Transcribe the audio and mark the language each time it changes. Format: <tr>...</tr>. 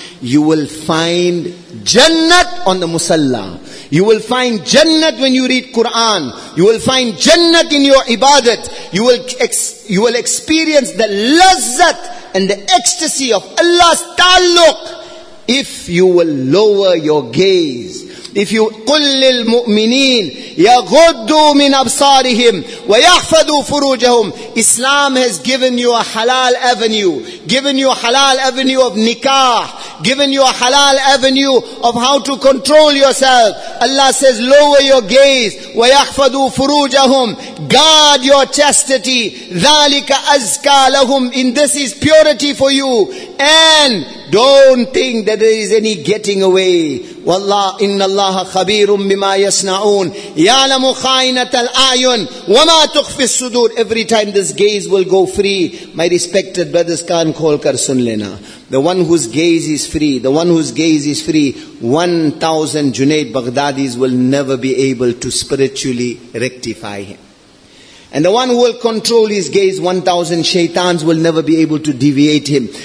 <en>you will find Jannat on the Musalla. You will find Jannat when you read Quran. You will find Jannat in your Ibadat. You will experience the lazzat and the ecstasy of Allah's Taluk if you will lower your gaze. If you</en> <ar>قل للمؤمنين يغضوا من أبصارهم ويحفظوا فروجهم.</ar> <en>Islam has given you a halal avenue, given you a halal avenue of nikah, given you a halal avenue of how to control yourself. Allah says, lower your gaze,</en> <ar>ويحفظوا فروجهم,</ar> <en>guard your chastity.</en> <ar>ذلك أزكى لهم,</ar> <en>in this is purity for you. And don't think that there is any getting away.</en> <ar>والله إن الله خبير بما يصنعون يعلم خائنة الأعين وما تخفي الصدور.</ar> <en>Every time this gaze will go free, my respected brothers,</en> <ur>Khan Kholkar, sun lena.</ur> <en>The one whose gaze is free, the one whose gaze is free, 1,000 Junaid Baghdadis will never be able to spiritually rectify him. And the one who will control his gaze, 1,000 shaitans will never be able to deviate him.</en>